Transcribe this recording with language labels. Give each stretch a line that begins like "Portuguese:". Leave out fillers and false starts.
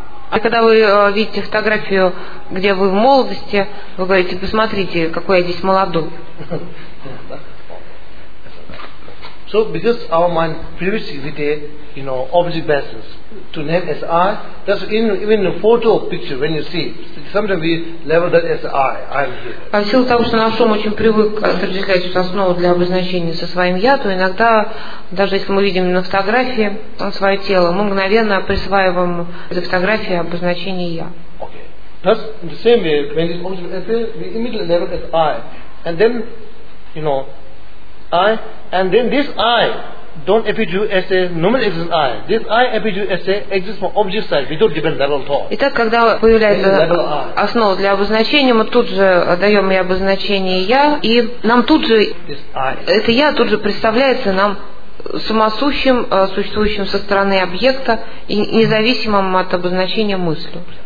Russian: А когда вы видите фотографию, где вы в молодости, вы говорите, посмотрите, какой я здесь молодой.
English: So because our mind previously with a, you know, object basis to name as I, that's in even a photo picture when you see it, sometimes we label that as I, I'm here.
Russian: А в силу того, что наш ум очень привык отождествлять эту основу для обозначения со своим я, то иногда, даже если мы видим на фотографии свое тело, мы мгновенно присваиваем за фотографии обозначение я.
English: Okay. That's the same way when this object appears, we immediately label as I. And then, you know, I, and then this I don't appear to you as a normal existent I. This I appears to you as a exist from object side without different level thought.
Russian: Итак, когда появляется основа для обозначения, мы тут же даем ей обозначение я, и нам тут же это я тут же представляется нам самосущим, существующим со стороны объекта и независимым от обозначения мыслью.